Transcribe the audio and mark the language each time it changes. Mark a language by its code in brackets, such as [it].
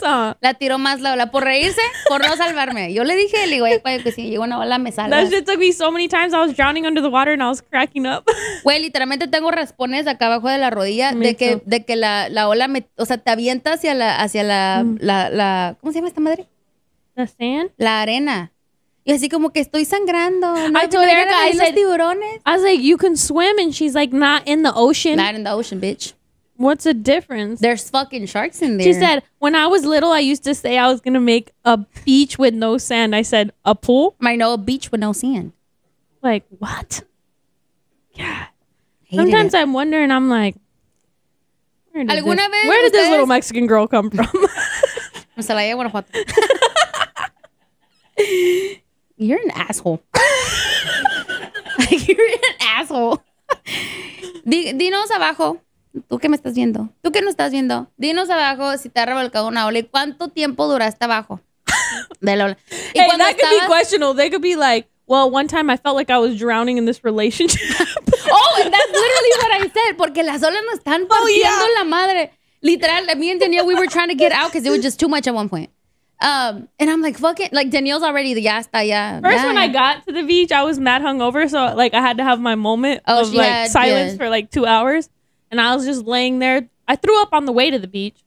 [es] La tiró más la ola por reírse, por no salvarme. Yo le dije, le digo, güey, que si llegó una ola me salva. [en] That shit took me so many times. I was drowning under the water and I was cracking up. [es] Güey, literalmente tengo raspones acá abajo de la rodilla de que la ola me, o sea, te avienta hacia la, mm. la ¿cómo se llama esta madre? [en] The sand. [es] La arena. Y así como que estoy sangrando. No, [en] I told Erica, I said, [es] tiburones. [en] I was like, you can swim, and she's like, not in the ocean. Not in the ocean, bitch. What's the difference? There's fucking sharks in there. She said, when I was little, I used to say I was going to make a beach with no sand. I said, a pool? I know a beach with no sand. Like, what? Yeah. Sometimes I'm wondering, I'm like, where did this little Mexican girl come from? I'm sorry, I want to fuck. You're an asshole. You're an asshole. [es] Dinos abajo. ¿Tú qué me estás viendo? ¿Tú qué no estás viendo? Dinos abajo si te ha revolcado una ola y cuánto tiempo duraste abajo de la ola. [en] Y hey, that could be questionable. They could be like, well, one time I felt like I was drowning in this relationship. Oh, and that's literally what I said. [es] Porque las olas nos están partiendo la madre. [en] Literal, me and Danielle, we were trying to get out because it was just too much at one point. And I'm like, fuck it. Like, Danielle's already the yasta, yeah. First, yeah, when I got to the beach, I was mad hungover. So, like, I had to have my moment of silence for, like, 2 hours. And I was just laying there. I threw up on the way to the beach.